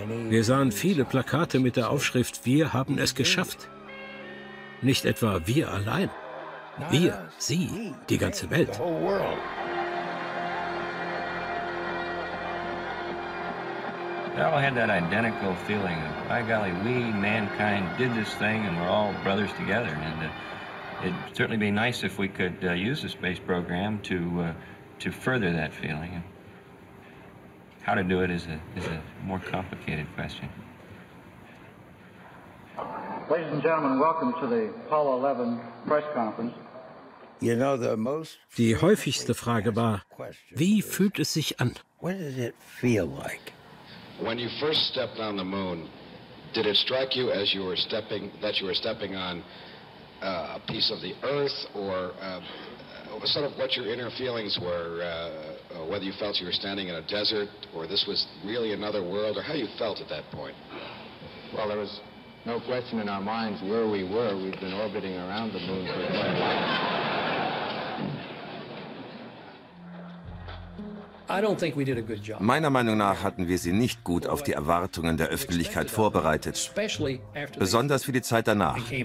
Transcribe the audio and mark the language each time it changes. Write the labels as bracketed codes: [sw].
[de] Wir sahen viele Plakate mit der Aufschrift "Wir haben es geschafft". Nicht etwa wir allein. Wir, sie, die ganze Welt. [en] We all had that identical feeling of, by golly, we, mankind, did this thing and we're all brothers together. And it'd certainly be nice if we could use the space program to further that feeling. How to do it is a more complicated question. Ladies and gentlemen, welcome to the Apollo 11 press conference. You know, the most... [de] Die häufigste Frage war, wie fühlt es sich an? [en] What does it feel like? When you first stepped on the moon, did it strike you as you were stepping, that you were stepping on a piece of the Earth, or sort of what your inner feelings were, whether you felt you were standing in a desert, or this was really another world, or how you felt at that point? Well, there was no question in our minds where we were. We'd been orbiting around the moon for quite a while. [de] Meiner Meinung nach hatten wir sie nicht gut auf die Erwartungen der Öffentlichkeit vorbereitet, besonders für die Zeit danach.